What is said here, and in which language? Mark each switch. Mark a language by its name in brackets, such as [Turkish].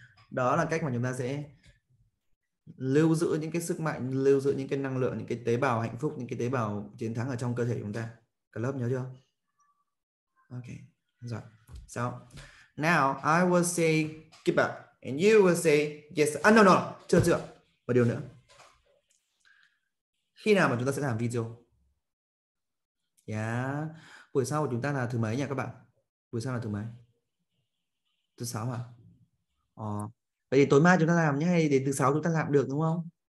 [Vietnamese] Đó là cách mà chúng ta sẽ lưu giữ những cái sức mạnh, lưu giữ những cái năng lượng, những cái tế bào hạnh phúc, những cái tế bào chiến thắng ở trong cơ thể chúng ta. Cả lớp nhớ chưa? Ok, rồi. [English] So, now I will say keep up and you will say yes. Ah, no, [Vietnamese] chưa. Một điều nữa. Khi nào mà chúng ta sẽ làm video? Yeah. Buổi sau của chúng ta là thứ mấy nhỉ các bạn? Buổi sau là thứ mấy? Thứ sáu hả? Ờ. Vậy thì tối mai chúng ta làm nhé, hay đến thứ sáu chúng ta làm được đúng không?